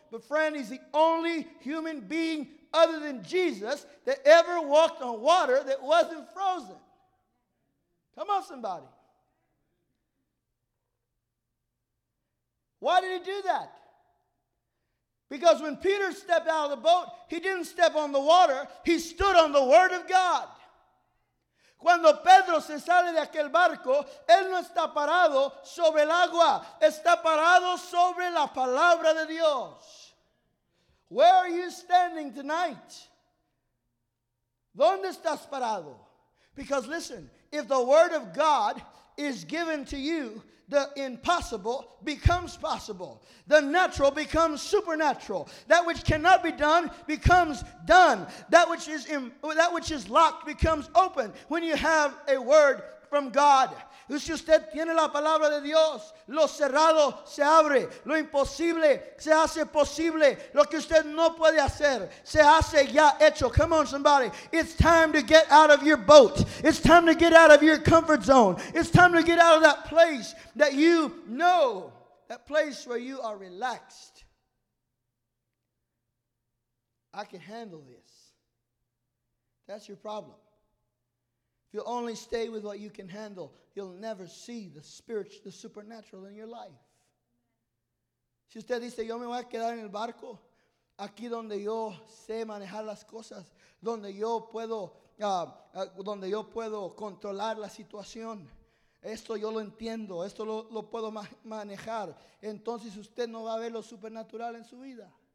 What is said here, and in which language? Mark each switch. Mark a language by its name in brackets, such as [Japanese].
[English] But friend, he's the only human being other than Jesus that ever walked on water that wasn't frozen. Come on, somebody. Why did he do that? Because when Peter stepped out of the boat, he didn't step on the water. He stood on the word of God. [Spanish] Cuando Pedro se sale de aquel barco, él no está parado sobre el agua. Está parado sobre la palabra de Dios. [English] Where are you standing tonight? [Spanish] ¿Dónde estás parado? [English] Because listen, if the word of God is given to you, the impossible becomes possible. The natural becomes supernatural. That which cannot be done becomes done. That which is locked becomes open when you have a word from God. [Spanish] Si usted tiene la palabra de Dios, lo cerrado se abre. Lo imposible se hace posible. Lo que usted no puede hacer se hace ya hecho. [English] Come on, somebody. It's time to get out of your boat. It's time to get out of your comfort zone. It's time to get out of that place that you know, that place where you are relaxed. I can handle this. That's your problem. If you only stay with what you can handle, you'll never see the spiritual, the supernatural in your life. [Spanish] Si usted dice, yo me voy a quedar en el barco, aquí donde yo sé manejar las cosas, donde yo puedo controlar la situación, esto yo lo entiendo, esto lo puedo manejar, entonces usted no va a ver lo supernatural en su vida.